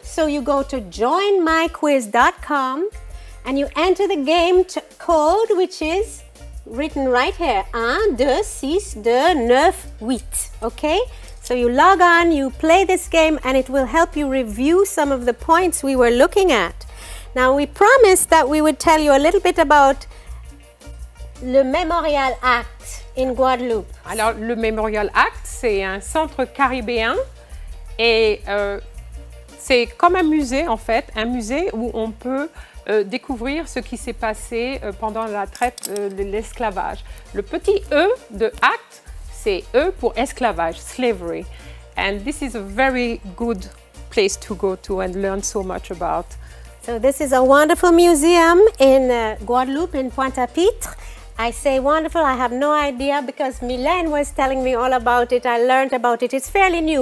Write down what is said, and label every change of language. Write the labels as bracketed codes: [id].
[en] So you go to joinmyquiz.com and you enter the game code, which is written right here, 1, 2, 6, 2, 9, 8, okay? So you log on, you play this game, and it will help you review some of the points we were looking at. Now, we promised that we would tell you a little bit about Le Memorial Act in Guadeloupe. [fr] Alors, Le Memorial Act, c'est un centre caribéen et c'est comme un musée, en fait, un musée où on peut découvrir ce qui s'est passé pendant la traite de l'esclavage. Le petit E de acte, c'est E pour esclavage, slavery. [en] And this is a very good place to go to and learn so much about. So this is a wonderful museum in Guadeloupe, in Pointe-à-Pitre. I say wonderful, I have no idea because Mylène was telling me all about it. I learned about it. It's fairly new.